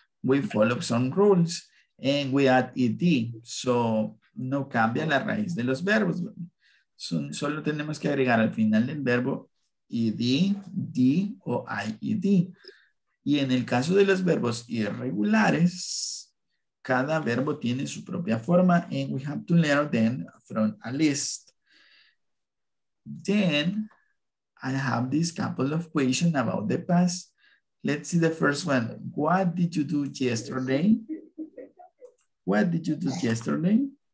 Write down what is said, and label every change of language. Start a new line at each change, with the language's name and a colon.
English: We follow some rules and we add ed.
Spanish: So no cambia la raíz de los verbos. Solo tenemos que agregar al final del verbo ed, d o ied. Y en el caso de los verbos irregulares, cada verbo tiene su propia forma.
English: And we have to learn them from a list. Then, I have this couple of questions about the past. Let's see the first one. What did you do yesterday? What did you do yesterday?